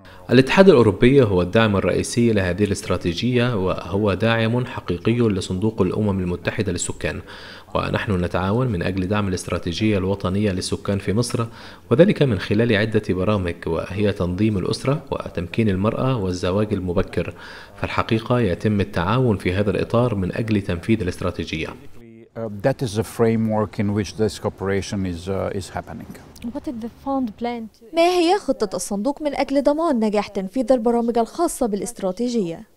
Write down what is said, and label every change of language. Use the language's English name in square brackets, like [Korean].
[Arabic] الاتحاد الأوروبي هو الدعم الرئيسي لهذه الاستراتيجية، وهو داعم حقيقي لصندوق الأمم المتحدة للسكان، ونحن نتعاون من أجل دعم الاستراتيجية الوطنية للسكان في مصر، وذلك من خلال عدة برامج، وهي تنظيم الأسرة وتمكين المرأة والزواج المبكر. فالحقيقة يتم التعاون في هذا الإطار من أجل تنفيذ الاستراتيجية. [English] That is the framework in which this cooperation is happening. What is the fund plan to? [Arabic] ما هي خطة الصندوق من أجل ضمان نجاح تنفيذ البرامج الخاصة بالاستراتيجية؟